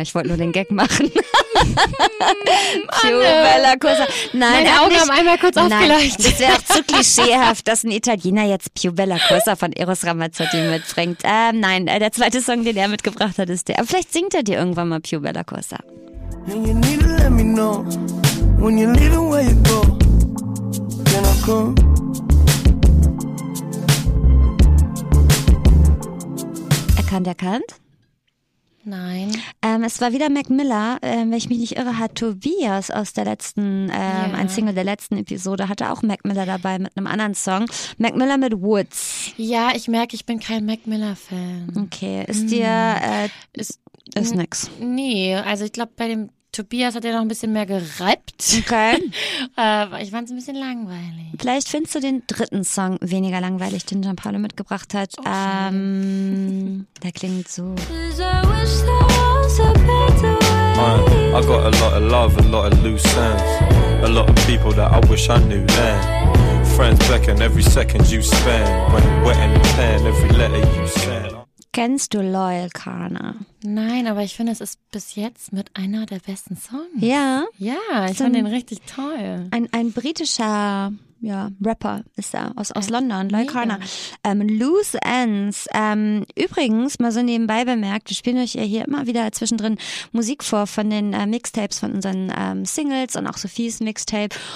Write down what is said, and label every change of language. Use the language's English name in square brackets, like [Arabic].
[German] Ich wollte nur den Gag machen. Bella Corsa. Nein, meine Augen haben einmal kurz aufgeleuchtet. Das wäre auch zu klischeehaft, dass ein Italiener jetzt Più Bella Corsa von Eros Ramazzotti mitbringt. Nein, der zweite Song, den er mitgebracht hat, ist der. Aber vielleicht singt er dir irgendwann mal Più Bella Corsa. [English] And you need to let me know when you're leaving, where you go. Can I come? [German] Erkannt? Nein. Es war wieder Mac Miller. Wenn ich mich nicht irre, hat Tobias aus der letzten, ein Single der letzten Episode, hatte auch Mac Miller dabei mit einem anderen Song. Mac Miller mit Woods. Ja, ich merke, ich bin kein Mac Miller-Fan. Okay, ist dir, ist nix. Nee, also ich glaube, bei dem Tobias hat er noch ein bisschen mehr gerappt. Okay. ich fand es ein bisschen langweilig. Vielleicht findest du den dritten Song weniger langweilig, den Gianpaolo mitgebracht hat. Okay. Der klingt so. [English] Man, I got a lot of love, a lot of loose ends. A lot of people that I wish I knew then. Friends beckon every second you spend. When wet in the pen, every letter you send. [German] Kennst du Loyal Kana? Nein, aber ich finde, es ist bis jetzt mit einer der besten Songs. Ja? Ja, ich finde den richtig toll. Ein britischer Rapper ist er aus London, Loyal Kana. Loose Ends. Übrigens, mal so nebenbei bemerkt, wir spielen euch ja hier immer wieder zwischendrin Musik vor von den Mixtapes, von unseren Singles und auch Sophies Mixtape.